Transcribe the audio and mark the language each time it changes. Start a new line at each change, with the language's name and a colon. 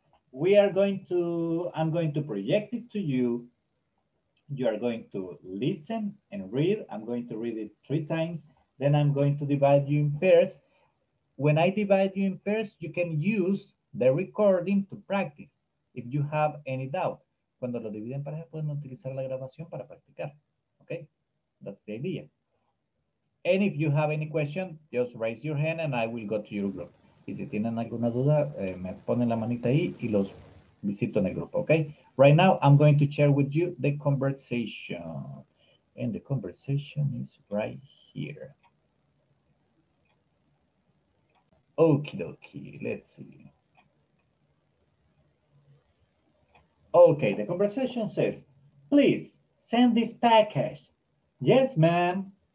English: We are going to, I'm going to project it to you. You are going to listen and read. I'm going to read it three times. Then I'm going to divide you in pairs. When I divide you in pairs, you can use the recording to practice if you have any doubt.
Spanish: Cuando lo dividen en parejas, pueden utilizar la grabación para practicar.
English: Okay? That's the idea. And if you have any question, just raise your hand and I will go to your group.
Spanish: Y si tienen alguna duda, me ponen la manita ahí y los visito en el grupo.
English: Okay? Right now, I'm going to share with you the conversation. And the conversation is right here. Okie dokie. Let's see. Okay, the conversation says, please send this package. Yes, ma'am.